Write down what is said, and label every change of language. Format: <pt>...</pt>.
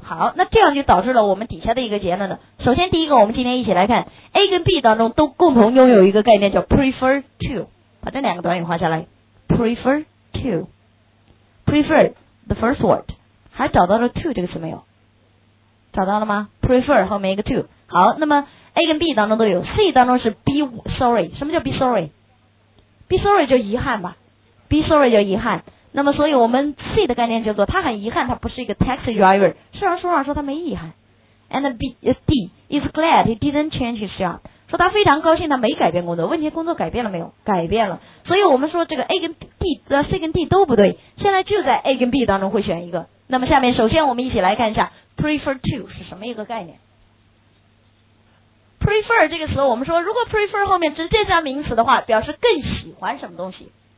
<zh>好，那这样就导致了我们底下的一个结论了。首先第一个，我们今天一起来看 A 跟 B 当中都共同拥有一个概念叫 prefer to， 把这两个短语画下来， prefer to， prefer the first word，还找到了 to 这个词没有？找到了吗？ prefer 后面一个 to。好，那么 A 跟 B 当中都有， C 当中是 be sorry。什么叫 be sorry？ be sorry 就遗憾吧， be sorry 就遗憾。那么所以我们 C 的概念叫做他很遗憾他不是一个 taxi driver， 虽然书上说他没遗憾。</zh> <en>and D is glad he didn't change his job，</en> <zh>说他非常高兴他没改变工作。问题工作改变了没有？改变了。所以我们说这个 A 跟 D、C 跟 D 都不对，现在就在 A 跟 B 当中会选一个。那么下面首先我们一起来看一下 prefer to 是什么一个概念。 prefer 这个词我们说如果 prefer 后面直接加名词的话表示更喜欢什么东西。</zh>